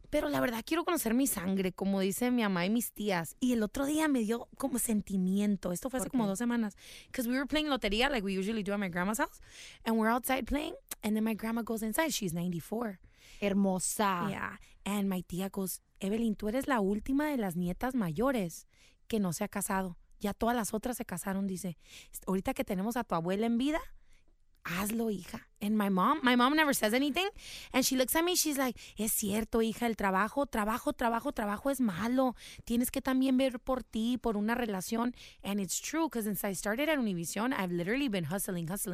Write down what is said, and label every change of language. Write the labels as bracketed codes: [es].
[es] pero la verdad quiero conocer mi sangre, como dice mi mamá y mis tías. Y el otro día me dio como sentimiento. Esto fue hace como 2 semanas. [en] Because we were playing lotería, like we usually do at my grandma's house, and we're outside playing, and then my grandma goes inside. She's 94. [es] Hermosa. [en] Yeah. And my tía goes, [es] Evelyn, tú eres la última de las nietas mayores que no se ha casado. Ya todas las otras se casaron, dice. Ahorita que tenemos a tu abuela en vida, hazlo, hija. [en] And my mom never says anything. And she looks at me, she's like, [es] es cierto, hija, el trabajo es malo. Tienes que también ver por ti, por una relación. [en] And it's true, because since I started at Univision, I've literally been hustling.